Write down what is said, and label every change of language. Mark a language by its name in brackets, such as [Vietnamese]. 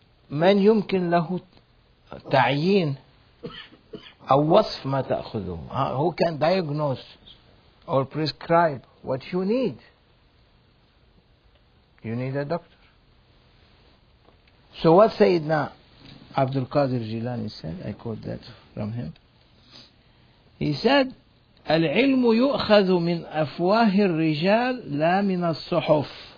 [Arabic] من يمكن له تعيين أو وصف ما تأخذه. [English] Who can diagnose or prescribe what you need? You need a doctor. So what Sayyidina Abdul Qadir Jilani said, I quote that from him. He said, [Arabic] العلم يؤخذ من أفواه الرجال لا من الصحف.